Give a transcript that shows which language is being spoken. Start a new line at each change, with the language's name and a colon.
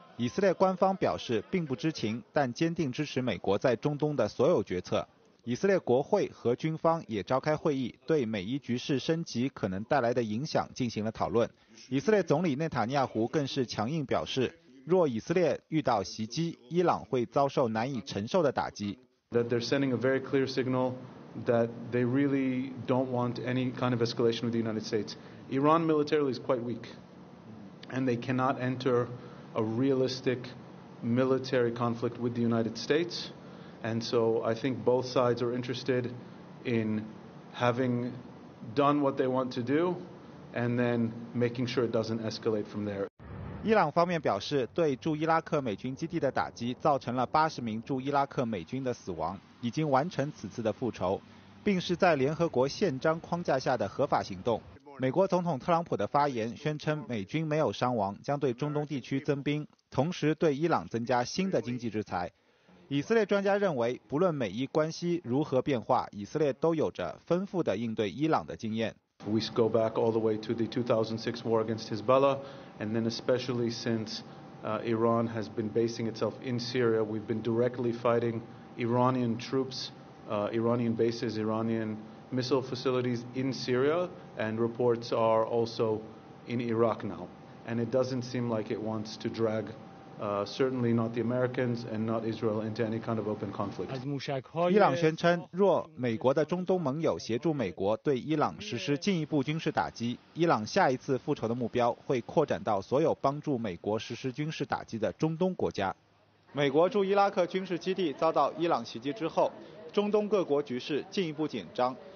Chinese: 以色列官方表示并不知情，但坚定支持美国在中东的所有决策。以色列国会和军方也召开会议，对美伊局势升级可能带来的影响进行了讨论。以色列总理内塔尼亚胡更是强硬表示，若以色列遇到袭击，伊朗会遭受难以承受的打击。
English: That they're sending a very clear signal that they really don't want any kind of escalation with the United States. Iran militarily is quite weak, and they cannot enter. A realistic military conflict with the United States. And so I think both sides are interested in having done what they want to do and then making sure it doesn't escalate from there.
Chinese: 伊朗方面表示，对驻伊拉克美军基地的打击造成了80名驻伊拉克美军的死亡，已经完成此次的复仇，并是在联合国宪章框架下的合法行动。美国总统特朗普的发言宣称美军没有伤亡，将对中东地区增兵，同时对伊朗增加新的经济制裁。以色列专家认为，不论美伊关系如何变化，以色列都有着丰富的应对伊朗的经验。
English: We go back all the way to the 2006 war against Hezbollah, and then especially since Iran has been basing itself in Syria, we've been directly fighting Iranian troops, Iranian bases, Iranian missile facilities in Syria. And reports are also in Iraq now. And it doesn't seem like it wants to drag, certainly not the Americans and not Israel, into any kind of open conflict.
Chinese: 伊朗宣称，若美国的中东盟友协助美国对伊朗实施进一步军事打击，伊朗下一次复仇的目标会扩展到所有帮助美国实施军事打击的中东国家。美国驻伊拉克军事基地遭到伊朗袭击之后，中东各国局势进一步紧张。